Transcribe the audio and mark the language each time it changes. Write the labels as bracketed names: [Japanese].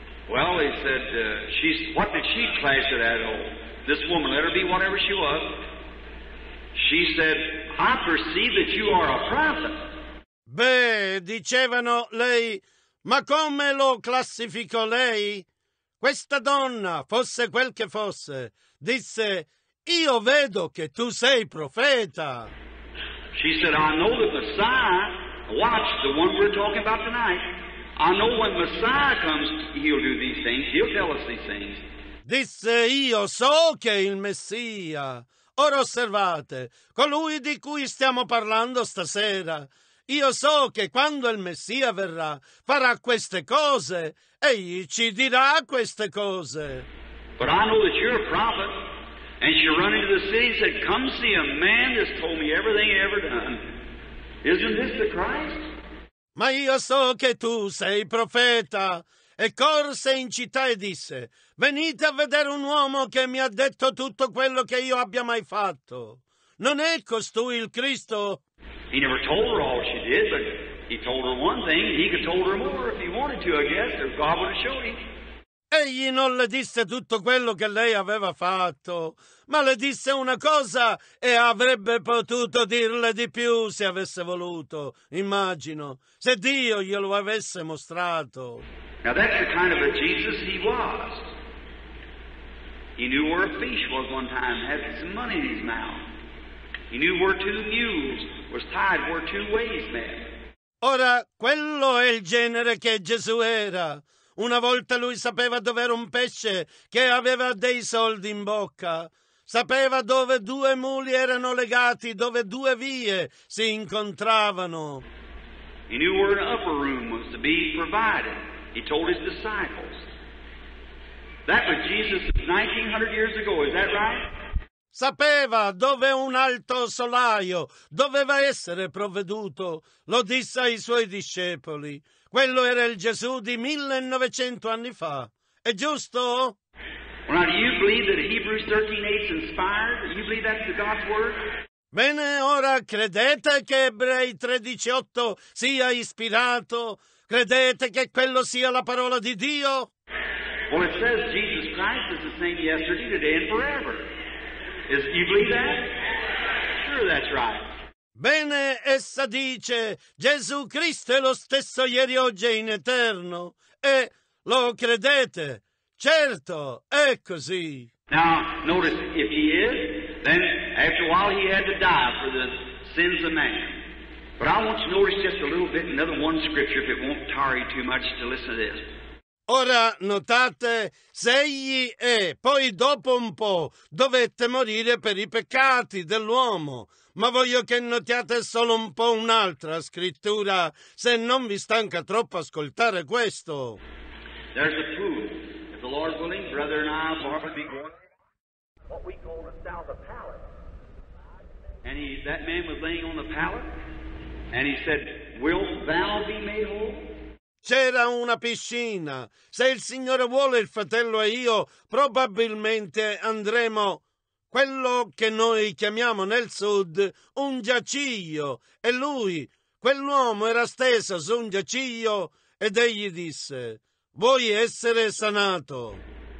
[English] Well, he said, what did she clash it at all? This woman, let her be whatever she was. She said, I perceive that you are a prophet. [Italian] Beh, dicevano lei, ma come lo classificò lei? Questa donna, fosse quel che fosse, disse, io vedo che tu sei profeta. [English] She said, I know the Messiah, watch, the one we're talking about tonight. I know when Messiah comes, he'll do these things, he'll tell us these things. [Italian] Disse, io so che il Messia, Ora osservate, colui di cui stiamo parlando stasera, io so che quando il Messia verrà, farà queste cose, egli ci dirà queste cose. [English] But I know that you're a prophet, and she ran into the city and said, come see a man that's told me everything he ever done. Isn't this the Christ? [Italian] Ma io so che tu sei profeta, e corse in città e disse, venite a vedere un uomo che mi ha detto tutto quello che io abbia mai fatto. Non è costui il Cristo? [English] He never told her all she did, but he told her one thing, he could told her more if he wanted to, I guess, or God would have showed him. [Italian] Egli non le disse tutto quello che lei aveva fatto, ma le disse una cosa e avrebbe potuto dirle di più se avesse voluto, immagino, se Dio glielo avesse mostrato. [English] Now that's the kind of a Jesus he was. He knew where a fish was one time, had some money in his mouth. He knew where two mules was tied, where two ways met. [Italian] Ora, quello è il genere che Gesù era. Una volta lui sapeva dove era un pesce che aveva dei soldi in bocca. Sapeva dove due muli erano legati, dove due vie si incontravano. [English] He knew where an upper room was to be provided. He told his disciples. That was Jesus 1900 years ago, is that right? [Italian] Sapeva dove un alto solaio doveva essere provveduto. Lo disse ai suoi discepoli. Quello era il Gesù di 1900 anni fa. È giusto? [English] Well, now, do you believe that Hebrews 13:8 is inspired? Do you believe that's the God's word? [Italian] Bene, ora credete che Ebrei 13:8 sia ispirato? Credete che quello sia la parola di Dio? [English] Well, it says Jesus Christ is the same yesterday, today and forever. Is, do you believe that? Sure, that's right. [Italian] Bene, essa dice, Gesù Cristo è lo stesso ieri, oggi e in eterno. E lo credete? Certo, è così. [English] Now, notice, if he is, then after a while he had to die for the sins of man. But I want you to notice just a little bit another one scripture, if it won't tarry too much to listen to this. [Italian] Ora notate, se egli è, poi dopo un po', dovette morire per i peccati dell'uomo. Ma voglio che notiate solo un po' un'altra scrittura, se non vi stanca troppo ascoltare questo. [English] There's a pool. If the Lord's willing, brother and I will be going what we call the south of pallet. And he, that man was laying on the pallet, and he said, wilt thou be made whole? [Italian] C'era una piscina. Se il Signore vuole, il fratello e io, probabilmente andremo quello che noi chiamiamo nel sud un giaciglio. E lui, quell'uomo, era steso su un giaciglio ed egli disse, vuoi essere sanato?